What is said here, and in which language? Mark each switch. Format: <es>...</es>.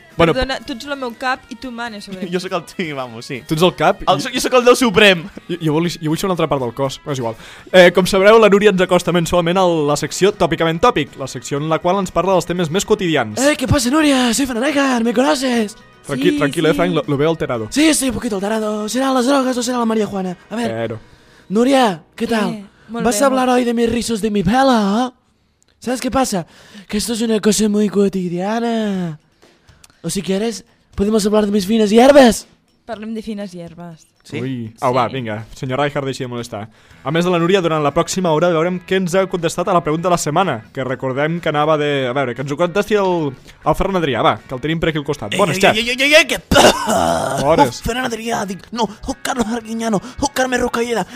<ca>Bueno, perdona, tu ets el meu cap i tu manes sobre mi. Jo sóc el tí, vamos, sí. Tu ets el cap? Jo sóc el del suprem. Jo vull ser una altra part del cos, però és igual. Com sabreu, la Núria ens acosta mensualment a la secció Tòpicament Tòpic, la secció en la qual ens parla dels temes més quotidians. Què passa, Núria?</ca> <es>Soy Fran Rijkaard, me conoces?</es> <ca>Tranquil, sí, tranquil, sí.</ca> <es>Frank, lo veo alterado. Sí, estoy un poquito alterado. ¿Serán las drogas o será la María Juana? A ver. Pero... Núria, ¿qué tal?</es> <ca>Molt</ca> <es>vas</es> <ca>bé,</ca> <es>a hablar hoy de mis rizos de mi pelo, eh? ¿Sabes qué pasa? Que esto es una cosa muy cotidiana. O si quieres, podemos hablar de mis finas hierbas.</es> <ca>Parlem de</ca> <es>finas hierbas.</es> <ca>Sí. Ui, sí. Va, vinga, senyor Rijkaard, deixi de molestar. A més de la Núria, durant la pròxima hora veurem què ens ha contestat a la pregunta de la setmana, que recordem que anava de... A veure, que ens ho contesti el Ferran Adrià, va, que el tenim per aquí al costat. Bones, xat. Ei, que... Bones. Oh, Ferran Adrià, dic... No, Carlos Arguiñano, Carme Rocalleda.</ca>